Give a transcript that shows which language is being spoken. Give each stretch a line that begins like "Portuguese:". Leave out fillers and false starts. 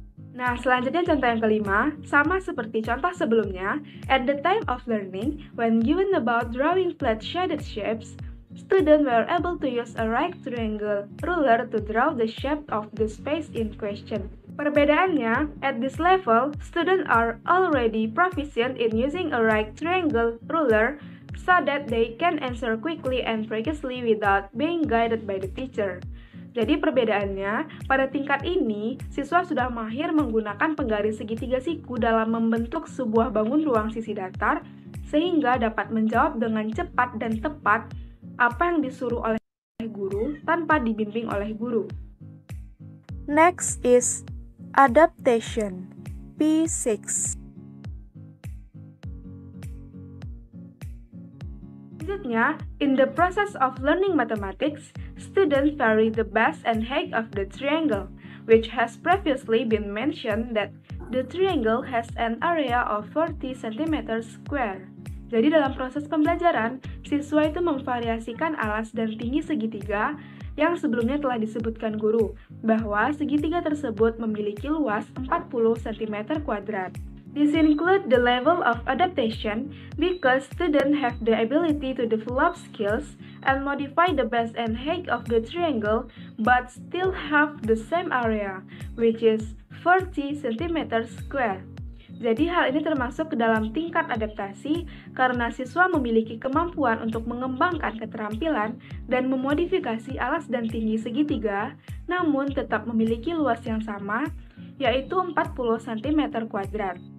Indonesian: Nah, selanjutnya contoh yang kelima, sama seperti contoh sebelumnya,
English: at the time of learning, when given about drawing flat shaded shapes, students were able to use a right triangle ruler to draw the shape of the space in question.
Indonesian: Perbedaannya,
English: at this level, students are already proficient in using a right triangle ruler so that they can answer quickly and precisely without being guided by the teacher.
Indonesian: Jadi perbedaannya, pada tingkat ini, siswa sudah mahir menggunakan penggaris segitiga siku dalam membentuk sebuah bangun ruang sisi datar, sehingga dapat menjawab dengan cepat dan tepat apa yang disuruh oleh guru tanpa dibimbing oleh guru.
English: Next is adaptation, P6.
Indonesian: Selanjutnya,
English: in the process of learning mathematics, students vary the base and height of the triangle, which has previously been mentioned that the triangle has an area of 40 cm square.
Indonesian: Jadi dalam proses pembelajaran, siswa itu memvariasikan alas dan tinggi segitiga yang sebelumnya telah disebutkan guru, bahwa segitiga tersebut memiliki luas 40 cm kuadrat.
English: This includes the level of adaptation because students have the ability to develop skills and modify the base and height of the triangle but still have the same area, which is 40 cm square.
Indonesian: Jadi hal ini termasuk ke dalam tingkat adaptasi karena siswa memiliki kemampuan untuk mengembangkan keterampilan dan memodifikasi alas dan tinggi segitiga, namun tetap memiliki luas yang sama, yaitu 40 cm kuadrat.